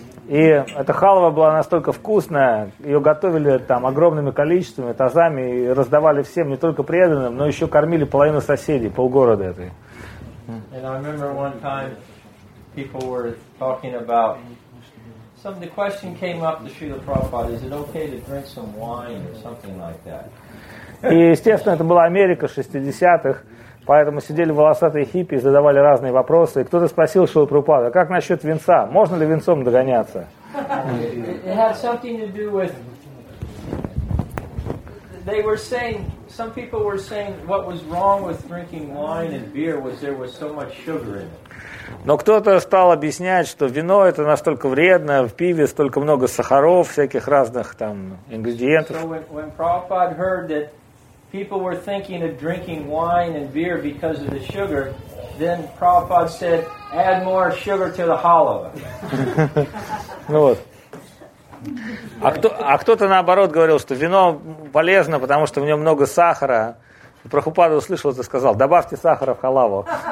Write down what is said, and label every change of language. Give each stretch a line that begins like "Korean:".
Russian: И эта халава была настолько вкусная, ее готовили там огромными количествами, тазами, и раздавали всем, не только преданным, но еще кормили половину соседей, полгорода этой.
English: And I remember one time people were talking about some. The question came up to Srila Prabhupada: is it okay to drink some wine or something like that?
Russian: И естественно, это была Америка 60-х, поэтому сидели волосатые хиппи, задавали разные вопросы. И кто-то спросил Шрилу Прабхупаду: как насчет венца? Можно ли венцом догоняться?
English: It had something to do with. They were saying, some people were saying, what was wrong with drinking wine and beer was there was so much sugar in it.
Russian: Но кто-то стал объяснять, что вино это настолько вредно, в пиве столько много сахаров, всяких разных там ингредиентов.
English: So when Prabhupada heard that people were thinking of drinking wine and beer because of the sugar, then Prabhupada said, add more sugar to the halava.
Russian: Ну вот. А кто-то наоборот говорил, что вино полезно, потому что в нем много сахара. Прабхупада услышал это и сказал: добавьте сахара в халаву.